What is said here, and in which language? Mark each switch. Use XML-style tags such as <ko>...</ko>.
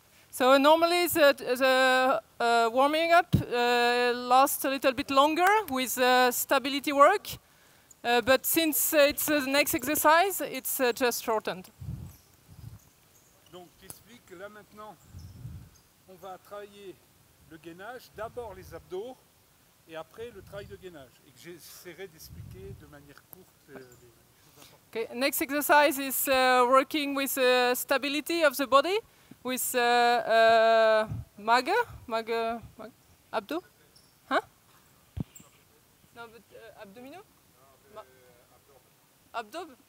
<en>So normally the warming up lasts a little bit longer with stability work, but since it's the next exercise, it's just shortened.</en> <fr>Donc, t'explique là maintenant, on va travailler le gainage, d'abord les abdos, et après le travail de gainage, et que j'essaierai d'expliquer de manière courte les choses importantes.</fr> <en>Okay, next exercise is working with the stability of the body, with maga, abdo, huh? No, but abdomino? Abdob.</en>